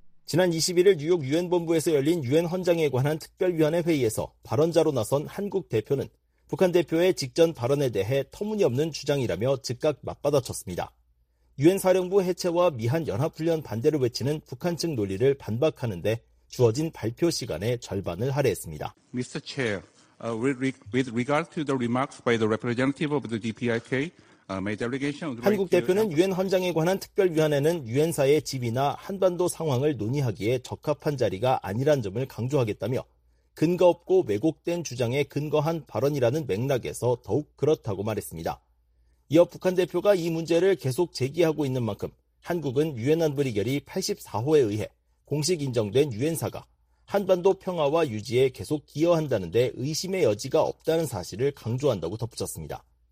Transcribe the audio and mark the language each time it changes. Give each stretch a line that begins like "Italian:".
Korean: 지난 21일 뉴욕 유엔 본부에서 열린 유엔 헌장에 관한 특별위원회 회의에서 발언자로 나선 한국 대표는 북한 대표의 직전 발언에 대해 터무니없는 주장이라며 즉각 맞받아쳤습니다. 유엔 사령부 해체와 미한 연합훈련 반대를 외치는 북한 측 논리를 반박하는데 주어진 발표 시간의 절반을 할애했습니다.
English: Mr. Chair, with regard to the remarks by the representative of the DPRK, my delegation would like
Korean: 한국 대표는 유엔 헌장에 관한 특별위원회는 유엔사의 지위나 한반도 상황을 논의하기에 적합한 자리가 아니란 점을 강조하겠다며 근거 없고 왜곡된 주장에 근거한 발언이라는 맥락에서 더욱 그렇다고 말했습니다. 이어 북한 대표가 이 문제를 계속 제기하고 있는 만큼 한국은 유엔 안보리 결의 84호에 의해 공식 인정된 유엔사가 한반도 평화와 유지에 계속 기여한다는 데 의심의 여지가 없다는 사실을 강조한다고 덧붙였습니다.